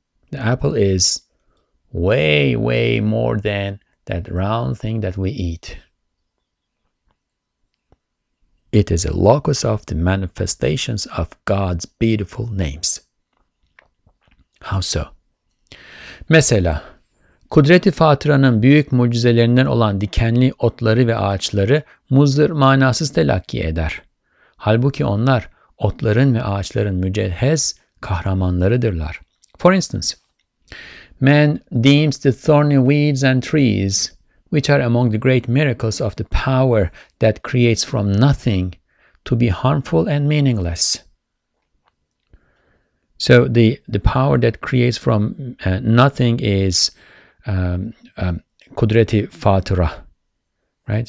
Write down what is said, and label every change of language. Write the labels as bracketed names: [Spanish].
[English] The apple is way, way more than that round thing that we eat. It is a locus of the manifestations of God's beautiful names. How so? [Turkish] Mesela, Kudret-i Fatıra'nın büyük mucizelerinden olan dikenli otları ve ağaçları muzdur manasız telakki eder. Halbuki onlar otların ve ağaçların mücehhez kahramanlarıdırlar. [English] For instance, man deems the thorny weeds and trees, which are among the great miracles of the power that creates from nothing, to be harmful and meaningless. So the power that creates from nothing is Kudret-i Fatıra, right?